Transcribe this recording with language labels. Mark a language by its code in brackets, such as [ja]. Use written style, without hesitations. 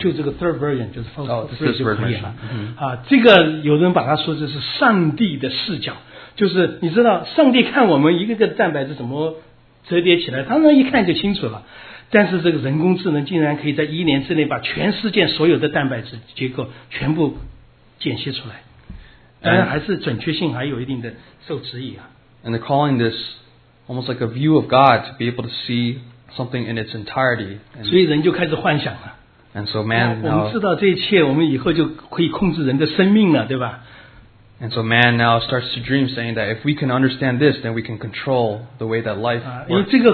[zh] 就这个 [en] third version [zh] 就是这个可以了。这个有人把它说这是上帝的视角，就是你知道，上帝看我们一个个蛋白质怎么折叠起来，当然一看就清楚了。但是这个人工智能竟然可以在一年之内把全世界所有的蛋白质结构全部剪析出来，当然还是准确性还有一定的受质疑啊。And [en] they're calling this almost like a view of God to be able to see something in its entirety. [zh] 所以人就开始幻想了。 [en] And so man, now, [zh] 我们知道这一切, 我们以后就可以控制人的生命了, 对吧? [en] And so man now starts to dream, saying that if we can understand this, then we can control the way that life works.